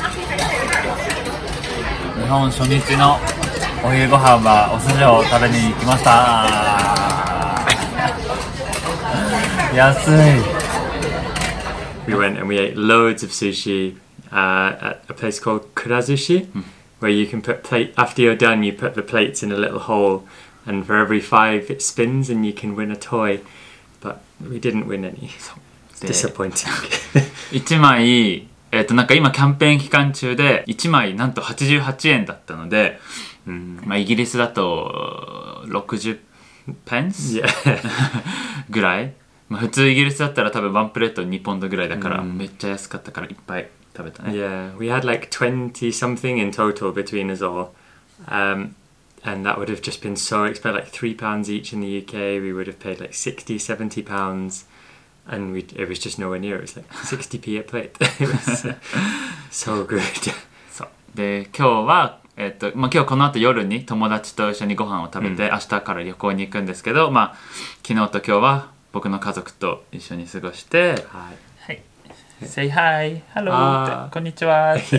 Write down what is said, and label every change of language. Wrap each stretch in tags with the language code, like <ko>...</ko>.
<ja>日本初日のお昼ご飯はお寿司を食べに行きました。</ja> <en>We went and we ate loads of sushi at a place called Kurazushi, where you can put plate, after you're done, you put the plates in a little hole, and for every five it spins and you can win a toy. But we didn't win any. Disappointing.</en> <ja>1枚、なんか今キャンペーン期間中で1枚なんと88円だったので、まあ、イギリスだと60ペンス、</ja> <en>yeah.</en> <ja>ぐらい。まあ、普通イギリスだったら多分ワンプレート2ポンドぐらいだから、mm. めっちゃ安かったからいっぱい食べたね。</ja> <en>Yeah, we had like 20 something in total between us all、and that would have just been so expensive, like £3 each in the UK. We would have paid like 60-70 pounds and it was just nowhere near. It was like 60p a plate. It was so good.</en> <ja>そうで今日は、まあ、今日この後夜に友達と一緒にご飯を食べて、mm. 明日から旅行に行くんですけど、まあ、昨日と今日は僕の家族と一緒に過ごして、はい、</ja> <en>はい、Say hi, hello, こんにちは。</en>